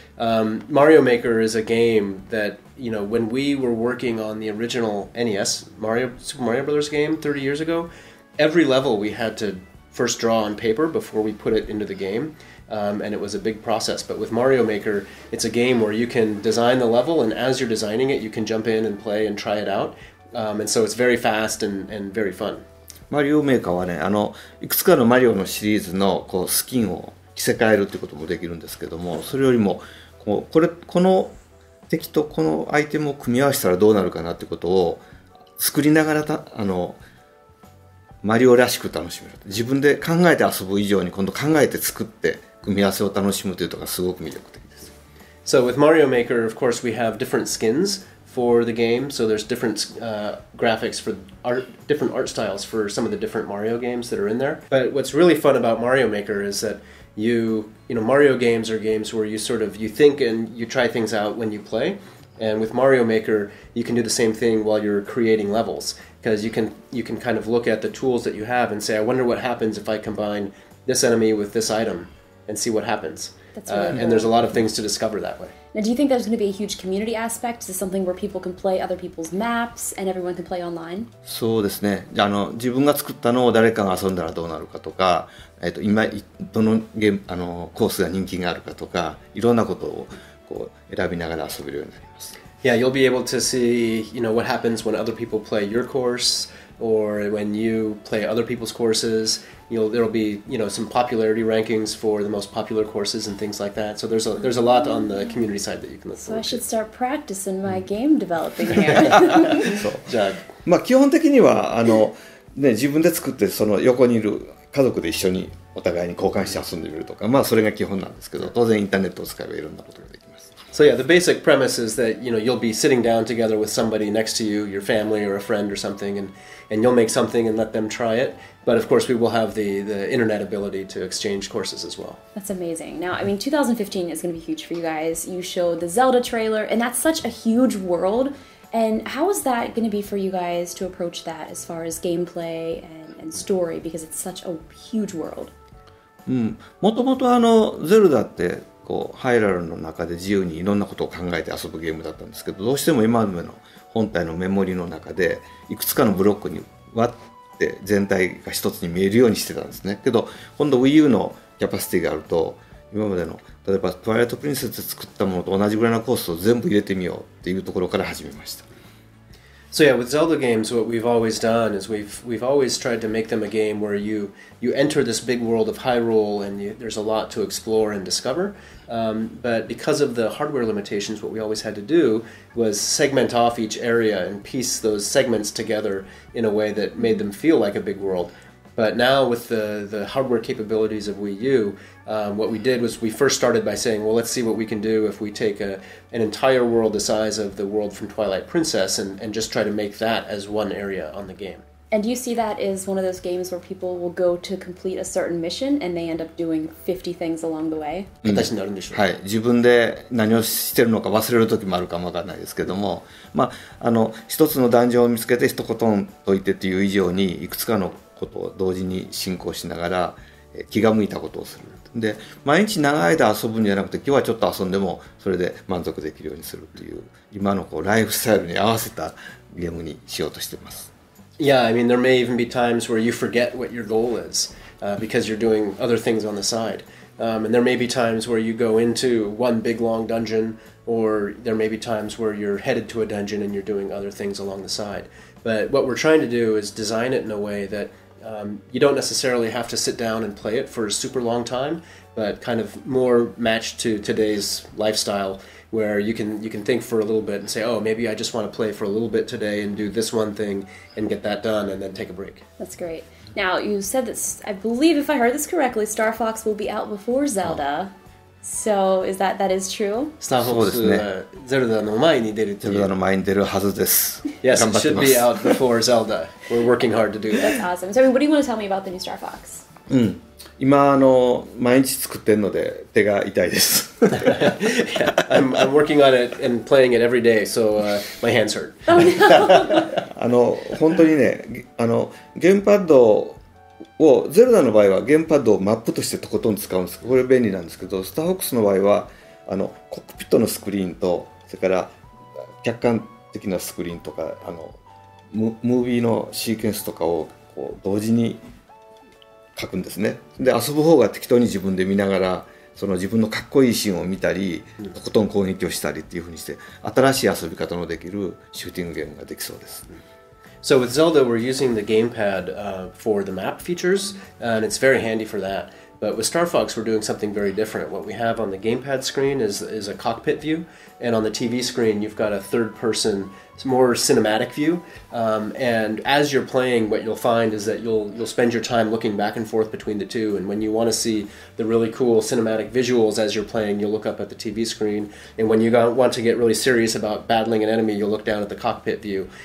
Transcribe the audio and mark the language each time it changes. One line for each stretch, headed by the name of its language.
English: Mario Maker is a game that, you know, when we were working on the original NES Mario Super Mario Brothers game 30 years ago, every level we had to first draw on paper before we put it into the game. And it was a big process, but with Mario Maker, it's a game where you can design the level, and as you're designing it, you can jump in and play and try it out. And so it's very fast and very fun.
Japanese: Mario Maker はね、あの、いくつかのマリオのシリーズのこうスキンを着せ替えるってこともできるんですけども、それよりもこう、これ、この敵とこのアイテムを組み合わせたらどうなるかなってことを作りながらた、あの、マリオらしく楽しめる。自分で考えて遊ぶ以上に今度考えて作って組み合わせを楽しむというのがすごく魅力的です。
English: So with Mario Maker, of course, we have different skins for the game. So there's different graphics for art, different art styles for some of the different Mario games that are in there. But what's really fun about Mario Maker is that you know, Mario games are games where you sort of, you think and you try things out when you play. And with Mario Maker, you can do the same thing while you're creating levels. Because you can kind of look at the tools that you have and say, I wonder what happens if I combine this enemy with this item and see what happens. That's really cool. And there's a lot of things to discover that way. Now, do you think there's going to be a huge community aspect? Is this something where people can play other people's maps and everyone can play online?
Japanese: そうですね。あの、自分が作ったのを誰かが遊んだらどうなるかとか、今どのゲーム、あの、コースが人気があるかとか、いろんなことをこう選びながら遊べるようになります。
English: Yeah, you'll be able to see, you know, what happens when other people play your course or when you play other people's courses. There'll be, you know, some popularity rankings for the most popular courses and things like that. So there's a lot on the community side that you can look forward to. So I should start practicing my game developing here. So, Jack.
Japanese: まあ基本的にはあのね自分で作ってその横にいる家族で一緒にお互いに交換して遊んでみるとか、まあそれが基本なんですけど、当然インターネットを使えばいろんなことができます。
English: So yeah, the basic premise is that, you know, you'll be sitting down together with somebody next to you, your family or a friend or something, and you'll make something and let them try it. But of course, we will have the internet ability to exchange courses as well. That's amazing. Now, I mean, 2015 is going to be huge for you guys. You showed the Zelda trailer, and that's such a huge world. And how is that going to be for you guys to approach that as far as gameplay and story? Because it's such a huge world.
Japanese: もともとあの、ゼルダってこうハイラルの中で自由にいろんなことを考えて遊ぶゲームだったんですけど、どうしても今までの本体のメモリの中でいくつかのブロックに割って全体が一つに見えるようにしてたんですね。けど今度 Wii U のキャパシティがあると、今までの例えばトワイライトプリンセスで作ったものと同じぐらいのコースを全部入れてみようっていうところから始めました。
English: So yeah, with Zelda games, what we've always done is we've always tried to make them a game where you enter this big world of Hyrule and there's a lot to explore and discover. But because of the hardware limitations, what we always had to do was segment off each area and piece those segments together in a way that made them feel like a big world. But now with the hardware capabilities of Wii U, what we did was we first started by saying, well, let's see what we can do if we take an entire world the size of the world from Twilight Princess and just try to make that as one area on the game. And do you see that as one of those games where people will go to complete a certain mission and they end up doing 50 things along the way?
Japanese: はい、自分で何をしてるのか忘れる時もあるかもわからないですけども、まあ、あの、一つのダンジョンを見つけて一言解いてっていう以上に、いくつかのことを同時に進行しながら気が向いたことをするで、毎日長い間遊ぶんじゃなくて、今日はちょっと遊んでもそれで満足できるようにするっていう、今のこうライフスタイルに合わせたゲームにしようとしてます。
English: Yeah, I mean, there may even be times where you forget what your goal is, because you're doing other things on the side. And there may be times where you go into one big long dungeon, or there may be times where you're headed to a dungeon and you're doing other things along the side. But what we're trying to do is design it in a way that you don't necessarily have to sit down and play it for a super long time, but kind of more matched to today's lifestyle, where you can think for a little bit and say, oh, maybe I just want to play for a little bit today and do this one thing and get that done and then take a break. That's great. Now, you said that, I believe if I heard this correctly, Star Fox will be out before Zelda. Oh. So, is that is true?
Japanese: Star Fox is Zelda の前に出るという。Zelda の前に出るはずです。
English: Yes, it should be out before Zelda. We're working hard to do that. That's awesome. So, I mean, what do you want to tell me about the new Star Fox?
Japanese: 今毎日作ってるので手が痛いです。
English: Yeah, I'm working on it and playing it every day, so my hands hurt.
Japanese: 本当にね、ゲームパッドをゼルダの場合はゲームパッドをマップとしてとことん使うんです。これ便利なんですけど、スターフォックスの場合はコックピットのスクリーンとそれから客観的なスクリーンとかムービーのシーケンスとかをこう同時に書くんですね。で、遊ぶ方が適当に自分で見ながら、その自分のかっこいいシーンを見たり、とことん攻撃をしたりっていうふうにして、新しい遊び方のできるシューティングゲームができそうです。
English: So with Zelda, we're using the gamepad for the map features, and it's very handy for that. But with Star Fox, we're doing something very different. What we have on the gamepad screen is a cockpit view, and on the TV screen, you've got a third-person, more cinematic view. And as you're playing, what you'll find is that you'll spend your time looking back and forth between the two, and when you want to see the really cool cinematic visuals as you're playing, you'll look up at the TV screen, and when you want to get really serious about battling an enemy, you'll look down at the cockpit view.